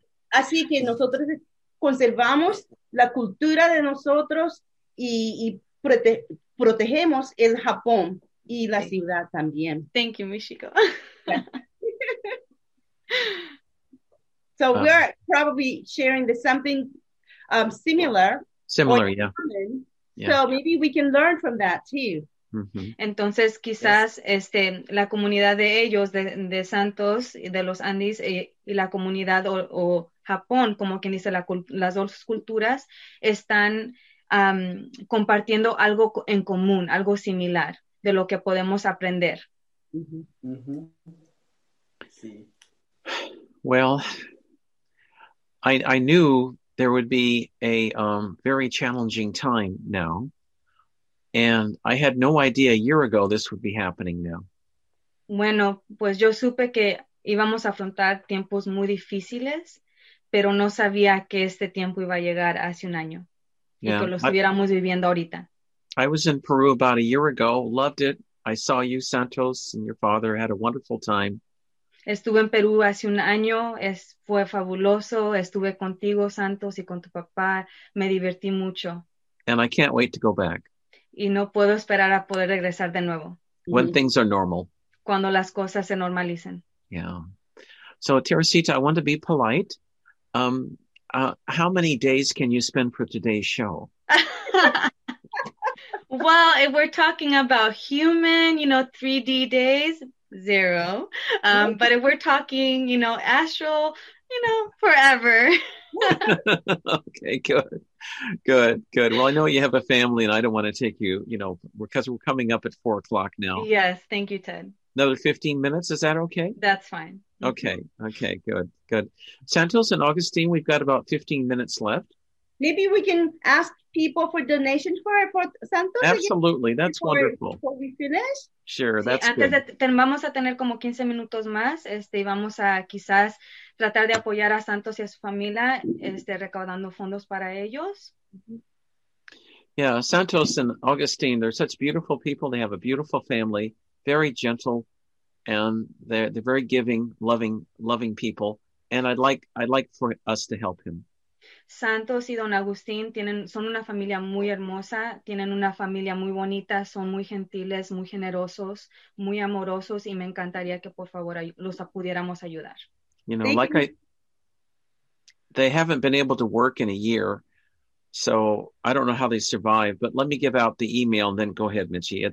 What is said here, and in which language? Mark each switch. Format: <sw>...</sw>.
<es>Así que nosotros conservamos la cultura de nosotros y protegemos el Japón y la ciudad también.</es> <en>Thank you, Michiko. So we are probably sharing something similar. Similar, yeah. So maybe we can learn from that too.</en> <es>Entonces, quizás la comunidad de ellos, de Santos, de los Andes, y la comunidad o Japón, como quien dice, las dos culturas, están compartiendo algo en común, algo similar, de lo que podemos aprender. Mm-hmm. Sí.</es> <en>Well, I knew there would be a very challenging time now. And I had no idea a year ago this would be happening now.</en> <es>Bueno, pues yo supe que íbamos a afrontar tiempos muy difíciles, pero no sabía que este tiempo iba a llegar hace un año.</es> <en>Yeah.</en> <es>Y que lo estuviéramos viviendo ahorita.</es> <en>I was in Peru about a year ago, loved it. I saw you, Santos, and your father, had a wonderful time.</en> <es>Estuve en Perú hace un año, fue fabuloso. Estuve contigo, Santos, y con tu papá. Me divertí mucho.</es> <en>And I can't wait to go back.</en> <es>Y no puedo esperar a poder regresar de nuevo.</es> <en>When things are normal.</en> <es>Cuando las cosas se normalicen.</es> <en>Yeah. So, Teresita, I want to be polite. How many days can you spend for today's show? Well, if we're talking about human, 3D days, zero. But if we're talking, astral, forever. Okay, good. Good, good. Well, I know you have a family and I don't want to take you, because we're coming up at 4 o'clock now. Yes, thank you, Ted. Another 15 minutes, is that okay? That's fine. Okay, okay, good, good. Santos and Augustine, we've got about 15 minutes left. Maybe we can ask people for donations for Santos. Absolutely, again, that's wonderful. Before we finish? Sure, that's</en> <es>sí, antes</es> <en>good.</en> <es>De, vamos a tener como 15 minutos más, y vamos a quizás tratar de apoyar a Santos y a su familia, recaudando fondos para ellos.</es> <en>Yeah, Santos and Augustine, they're such beautiful people. They have a beautiful family. Very gentle, and they're very giving, loving people. And I'd like for us to help him.</en> <es>Santos y Don Agustín son una familia muy hermosa. Tienen una familia muy bonita. Son muy gentiles, muy generosos, muy amorosos. Y me encantaría que por favor los pudiéramos ayudar.</es> <en>They haven't been able to work in a year. So I don't know how they survive, but let me give out the email and then go ahead, Michi.</en>